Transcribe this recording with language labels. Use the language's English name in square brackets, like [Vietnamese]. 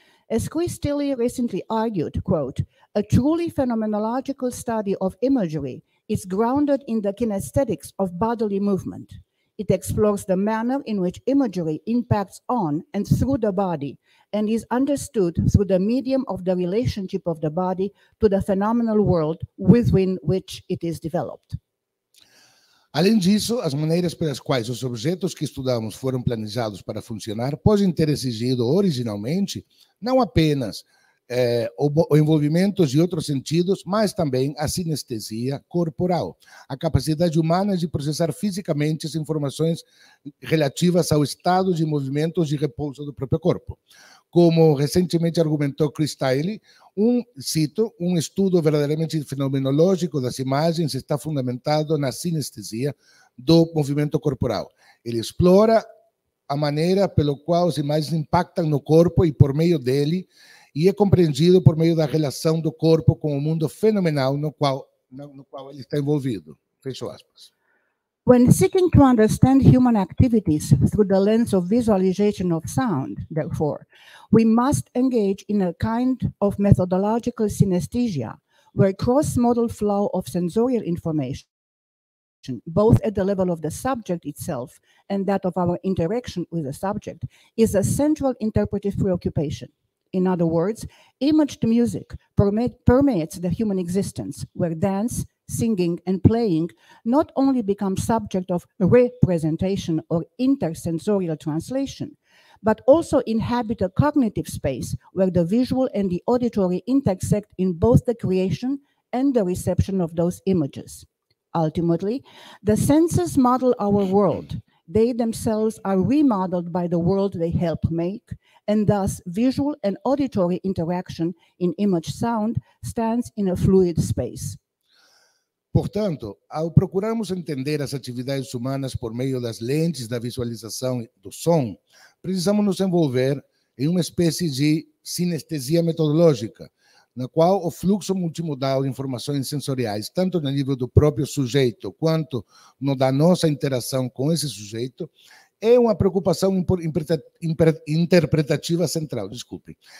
[English] As Chris Tilley recently argued, quote, a truly phenomenological study of imagery is grounded in the kinesthetics of bodily movement. It explores the manner in which imagery impacts on and through the body and is understood through the medium of the relationship of the body to the phenomenal world within which it is developed. [Portuguese] Além disso, as maneiras pelas quais os objetos que estudamos foram planejados para funcionar podem ter exigido originalmente não apenas o envolvimento de outros sentidos, mas também a sinestesia corporal, a capacidade humana de processar fisicamente as informações relativas ao estado de movimento de repouso do próprio corpo. Como recentemente argumentou Chris Tilley, um estudo verdadeiramente fenomenológico das imagens está fundamentado na sinestesia do movimento corporal. Ele explora a maneira pela qual as imagens impactam no corpo e por meio dele, e é compreendido por meio da relação do corpo com o mundo fenomenal no qual ele está envolvido. Fecho aspas. [English] When seeking to understand human activities through the lens of visualization of sound, therefore, we must engage in a kind of methodological synesthesia, where cross-modal flow of sensorial information, both at the level of the subject itself and that of our interaction with the subject, is a central interpretive preoccupation. In other words, imaged music permeates the human existence, where dance, singing, and playing not only become subject of representation or intersensorial translation, but also inhabit a cognitive space where the visual and the auditory intersect in both the creation and the reception of those images. Ultimately, the senses model our world. They themselves are remodeled by the world they help make, and thus visual and auditory interaction in image sound stands in a fluid space. [Portuguese] Portanto, ao procurarmos entender as atividades humanas por meio das lentes da visualização do som, precisamos nos envolver em uma espécie de sinestesia metodológica, na qual o fluxo multimodal de informações sensoriais, tanto no nível do próprio sujeito quanto no da nossa interação com esse sujeito, é uma preocupação interpretativa central. Desculpe.